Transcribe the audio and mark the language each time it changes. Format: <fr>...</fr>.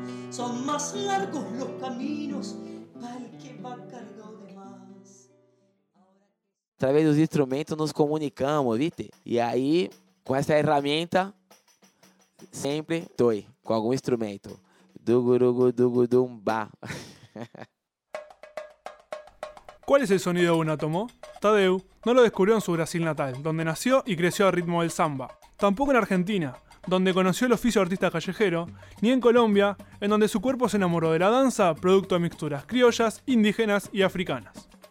<es>Son más largos los caminos para el que va cargado de más.</es> <pt>Através dos instrumentos nos comunicamos, viste? E aí, com essa ferramenta, sempre estou com algum instrumento. Du gurugu du gudum ba.</pt> <es>¿Cuál es el sonido de un átomo? Tadeu no lo descubrió en su Brasil natal, donde nació y creció al ritmo del samba. Tampoco en Argentina, donde conoció el oficio de artista callejero, ni en Colombia, en donde su cuerpo se enamoró de la danza, producto de mixturas criollas, indígenas y africanas.</es>